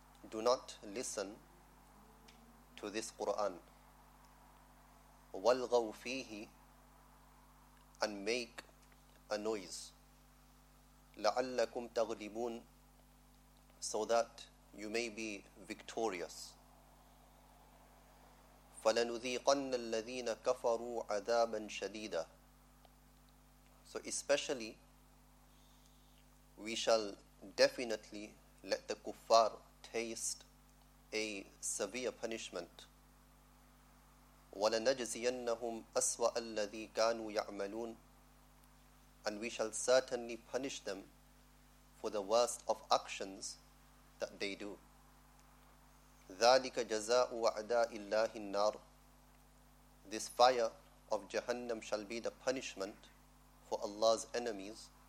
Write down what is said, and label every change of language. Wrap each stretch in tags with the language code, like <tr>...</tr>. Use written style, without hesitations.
<en>do not listen to this Quran,</en> <ar>والغوا فيه,</ar> <en>and make a noise,</en> <ar>لعلكم تغلبون,</ar> <en>so that you may be victorious.</en> <ar>فلنذيقن الذين كفروا عذابا شديدا.</ar> <en>So especially, we shall definitely let the kuffar taste a severe punishment.</en> <ar>ولنجزينهم أسوأ الذي كانوا يعملون.</ar> <en>And we shall certainly punish them for the worst of actions that they do.</en> <ar>ذَلِكَ جَزَاءُ أَعْدَاءِ اللَّهِ النَّارِ</ar> <en>This fire of Jahannam shall be the punishment for Allah's enemies.</en>